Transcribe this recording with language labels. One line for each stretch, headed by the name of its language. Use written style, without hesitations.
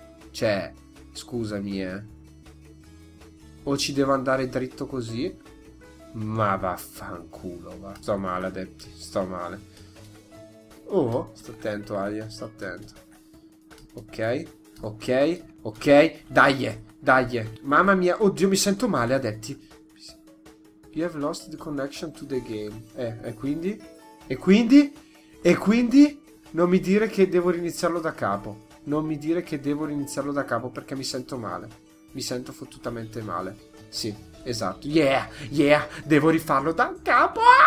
Italian: Cioè, scusami, eh. O ci devo andare dritto così? Ma vaffanculo, va. Sto male, detti, sto male. Oh, sta attento, Alia, sta attento. Ok. Dai, dai. Mamma mia, oddio, mi sento male, ha detti.
English: You have lost the connection to the game.
Italian: E quindi? E quindi? Non mi dire che devo riniziarlo da capo. Non mi dire che devo riniziarlo da capo perché mi sento male. Mi sento fottutamente male. Sì, esatto. Yeah. Devo rifarlo da capo.